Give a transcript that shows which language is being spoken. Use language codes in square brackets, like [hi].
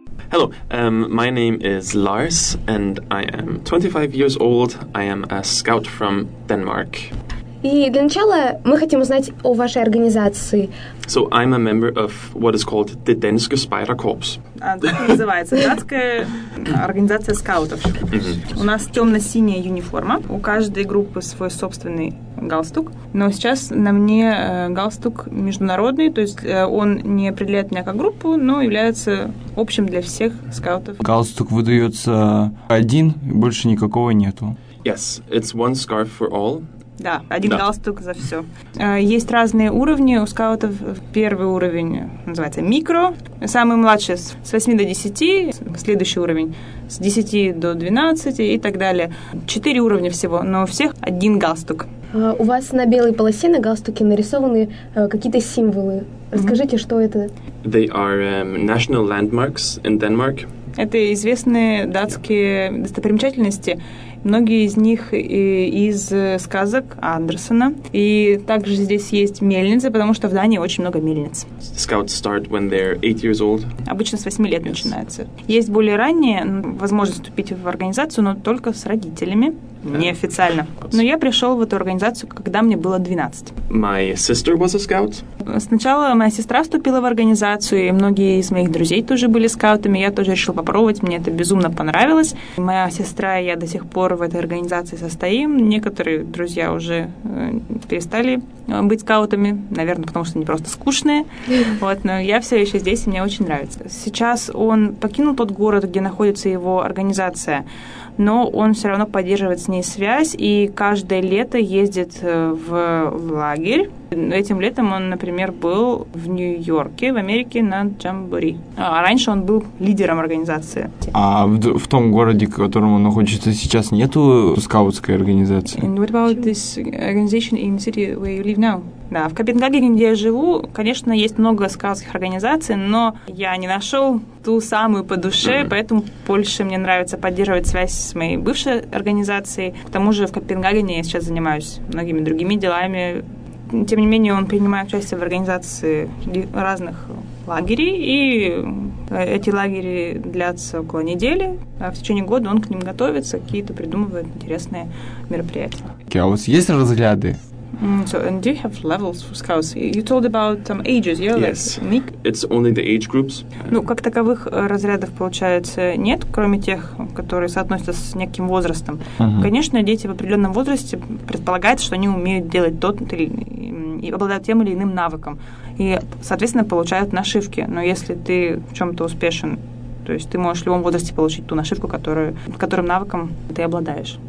[en] Hello, my name is Lars and I am 25 years old. I am a scout from Denmark. [ru] И для начала мы хотим узнать о вашей организации. [en] So I'm a member of what is called the Danske Spider Corps. [ru] Так называется датская организация скаутов. Mm-hmm. У нас темно-синяя униформа. У каждой группы свой собственный галстук, но сейчас на мне галстук международный, то есть он не определяет меня как группу, но является общим для всех скаутов. Галстук выдается один, больше никакого нету. [en] Yes, it's one scarf for all. [ru] Да, один галстук за все. Есть разные уровни у скаутов. Первый уровень называется микро, самый младший с 8 до 10, следующий уровень с 10 до 12 и так далее. Четыре уровня всего, но у всех один галстук. У вас на белой полосе на галстуке нарисованы какие-то символы. Расскажите, mm-hmm. что это? [en] They are national landmarks in Denmark. [ru] Это известные датские достопримечательности. Многие из них из сказок Андерсена. И также здесь есть мельницы, потому что в Дании очень много мельниц. [en] Scouts start when they're 8 years old. [ru] Обычно с 8 лет начинается. Есть более ранние возможность вступить в организацию, но только с родителями, неофициально. Но я пришел в эту организацию, когда мне было 12. [en] My sister was a scout. [ru] Сначала моя сестра вступила в организацию, и многие из моих друзей тоже были скаутами. Я тоже решила попробовать, мне это безумно понравилось. Моя сестра и я до сих пор в этой организации состоим. Некоторые друзья уже перестали быть скаутами, наверное, потому что они просто скучные. Вот, но я все еще здесь, и мне очень нравится. Сейчас он покинул тот город, где находится его организация, но он все равно поддерживает с ней связь и каждое лето ездит в лагерь. Этим летом он, например, был в Нью-Йорке, в Америке, на Джамбори. А раньше он был лидером организации. А в том городе, в котором он находится сейчас, нету скаутской организации? [en] And what about this organization in the city where you live now? [ru] Да, в Копенгагене, где я живу, конечно, есть много скаутских организаций, но я не нашел ту самую по душе, поэтому больше мне нравится поддерживать связь с моей бывшей организацией. К тому же в Копенгагене я сейчас занимаюсь многими другими делами. Тем не менее, он принимает участие в организации разных лагерей, и эти лагеря длятся около недели, а в течение года он к ним готовится, какие-то придумывает интересные мероприятия. Okay, а у вас есть разряды? [en] So, and do you have levels for scouts? You told about ages, yeah? Yes, like, it's only the age groups. [ru] Ну, как таковых разрядов, получается, нет, кроме тех, которые соотносятся с неким возрастом. Uh-huh. Конечно, дети в определенном возрасте предполагается, что они умеют делать тот и обладают тем или иным навыком. И, соответственно, получают нашивки. Но если ты в чем-то успешен, то есть ты можешь в любом возрасте получить ту нашивку, которым навыком ты обладаешь.